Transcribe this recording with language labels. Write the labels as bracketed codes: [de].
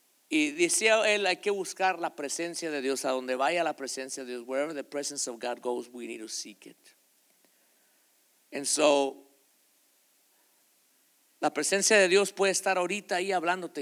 [es] Y decía él, hay que buscar la presencia de Dios, a donde vaya la presencia de Dios. [en] Wherever the presence of God goes, we need to seek it. And so, [es] la presencia de Dios puede estar ahorita ahí hablándote.